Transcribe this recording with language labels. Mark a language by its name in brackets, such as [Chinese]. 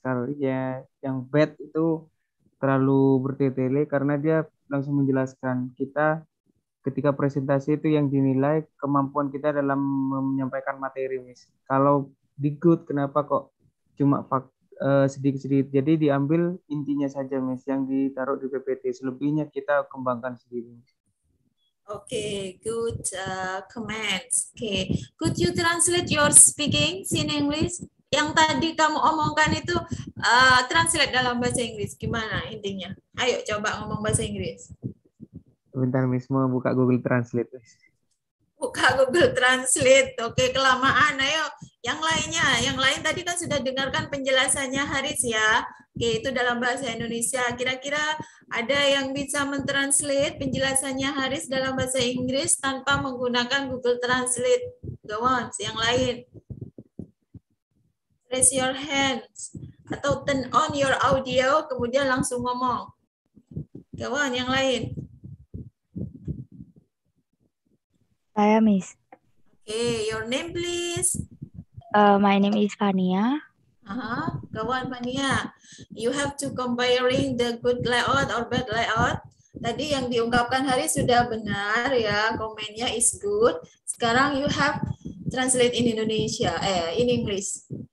[Indonesian] Kalau ya yang bad itu terlalu bertele-tele karena dia langsung menjelaskan kita ketika presentasi itu yang dinilai kemampuan kita dalam menyampaikan materi, Miss. Kalau di good kenapa kok cuma sedikit-sedikit. Jadi diambil intinya saja, Miss, yang ditaruh di PPT. Selebihnya kita kembangkan sendiri, Miss. [English] Okay, good comments. Okay, could you translate your speaking in English? [Indonesian] Yang tadi kamu omongkan itu translate dalam bahasa Inggris. Gimana intinya? Ayo coba ngomong bahasa Inggris. Bentar, Miss, mau buka Google Translate. Buka Google Translate. Okay, kelamaan. Ayo, yang lainnya. Yang lain tadi kan sudah dengarkan penjelasannya Haris ya. Oke, itu dalam bahasa Indonesia. Kira-kira ada yang bisa mentranslate penjelasannya Haris dalam bahasa Inggris tanpa menggunakan Google Translate? [English] Go on, [Indonesian] yang lain. [English] Raise your hands. Atau turn on your audio, [Indonesian] kemudian langsung ngomong. [English] Go on, [Indonesian] yang lain. Saya, Miss. [English] Oke, your name, please. My name is Fania. Go on, Fania. You have to comparing the good layout or bad layout. [Indonesian] Tadi yang diungkapkan Haris sudah benar ya, komennya is good. Sekarang [English] you have translate in Indonesia, in English.